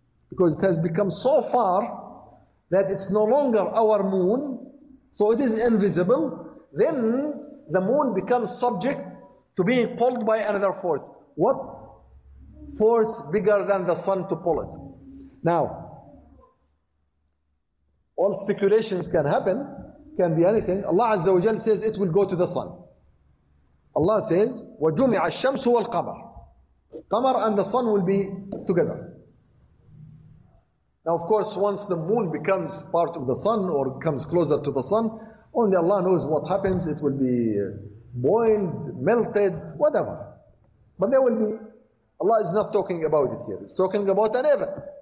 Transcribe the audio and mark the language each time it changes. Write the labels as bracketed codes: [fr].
[en] Because it has become so far that it's no longer our moon, so it is invisible, then the moon becomes subject to being pulled by another force. What force bigger than the sun to pull it? Now, all speculations can happen, can be anything. Allah Azza wa Jal says it will go to the sun. Allah says, [ar] وَجُمِعَ الشَّمْسُ وَالْقَمَرِ. [en] Qamar and the sun will be together. Now, of course, once the moon becomes part of the sun or comes closer to the sun, only Allah knows what happens. It will be boiled, melted, whatever. But there will be, Allah is not talking about it here. He's talking about an event.